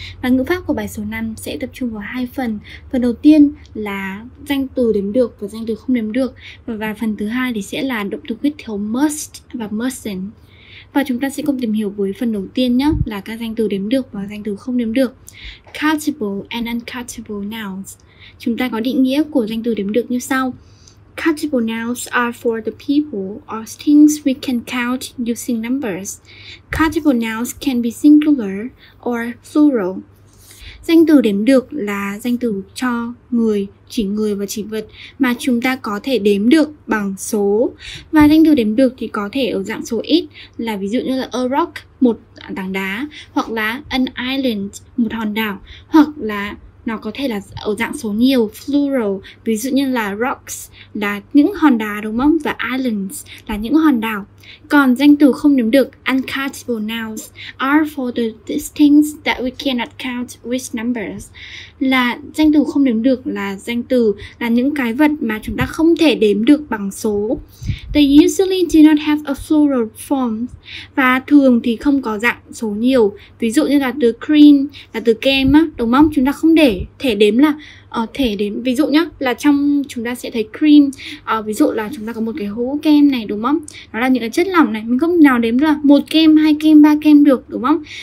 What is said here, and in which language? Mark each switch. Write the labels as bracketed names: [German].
[Vietnamese] Và ngữ pháp của bài số 5 sẽ tập trung vào hai phần. Phần đầu tiên là danh từ đếm được và danh từ không đếm được. Và phần thứ hai thì sẽ là động từ quyết thiếu must và mustn't. Và chúng ta sẽ cùng tìm hiểu với phần đầu tiên nhé, là các danh từ đếm được và danh từ không đếm được. [English] Countable and uncountable nouns. [Vietnamese] Chúng ta có định nghĩa của danh từ đếm được như sau. [English] Countable nouns are for the people or things we can count using numbers. Countable nouns can be singular or plural. [Vietnamese] Danh từ đếm được là danh từ cho người, chỉ người và chỉ vật mà chúng ta có thể đếm được bằng số. Và danh từ đếm được thì có thể ở dạng số ít, là ví dụ như là a rock, một tảng đá, hoặc là an island, một hòn đảo, hoặc là nó có thể là ở dạng số nhiều, plural, ví dụ như là rocks, là những hòn đá đúng không? Và islands, là những hòn đảo. Còn danh từ không đếm được, [English] uncountable nouns, are for the things that we cannot count with numbers. [Vietnamese] Là danh từ không đếm được là danh từ, là những cái vật mà chúng ta không thể đếm được bằng số. [English] They usually do not have a plural form. [Vietnamese] Và thường thì không có dạng số nhiều. Ví dụ như là từ cream, là từ kem á, đúng không? Chúng ta không để thể đếm là thể đếm, ví dụ nhá, là trong chúng ta sẽ thấy cream, ví dụ là chúng ta có một cái hũ kem này đúng không, nó là những cái chất lỏng này, mình không nào đếm được là một kem, hai kem, ba kem được đúng không.